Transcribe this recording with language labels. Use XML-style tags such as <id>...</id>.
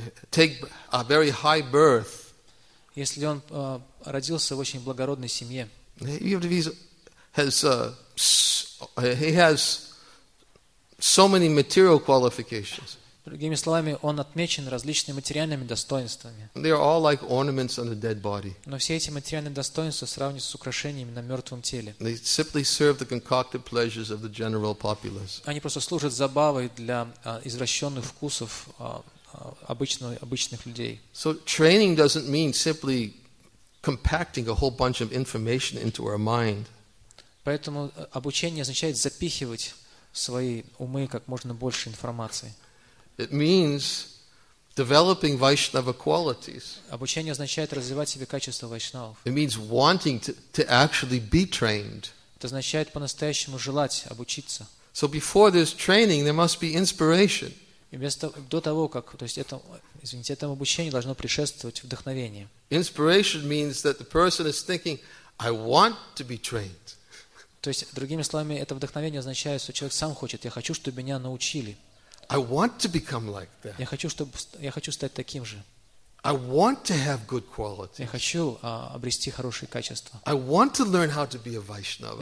<en>take a very high birth,</en> <ru>если он родился в очень благородной семье,</ru> <en>he has so many material qualifications.</en> <ru>Другими словами, он отмечен различными материальными достоинствами.</ru> <en>They are all like ornaments on a dead body.</en> <ru>Но все эти материальные достоинства сравнятся с украшениями на мертвом теле.</ru> <en>They simply serve the concocted pleasures of the general populace.</en> <ru>Они просто служат забавой для извращенных вкусов обычных людей.</ru> <en>So training doesn't mean simply compacting a whole bunch of information into our mind.</en> <ru>Поэтому обучение означает запихивать в свои умы как можно больше информации.</ru> <en>It means developing Vaishnava qualities.</en> <ru>Обучение означает развивать в себе качества вайшнавов.</ru> <en>It means wanting to actually be trained.</en> <ru>Это означает по-настоящему желать обучиться.</ru> <en>So before there's training, there must be inspiration.</en> <ru>Этому обучению должно предшествовать вдохновение.</ru> <en>Inspiration means that the person is thinking, I want to be trained.</en> <ru>То есть, другими словами, это вдохновение означает, что человек сам хочет, я хочу, чтобы меня научили.</ru> <en>I want to become like that.</en> <ru>Я хочу стать таким же.</ru> <en>I want to have good qualities.</en> <ru>Я хочу обрести хорошие качества.</ru> <en>I want to learn how to be a Vaishnava.</en>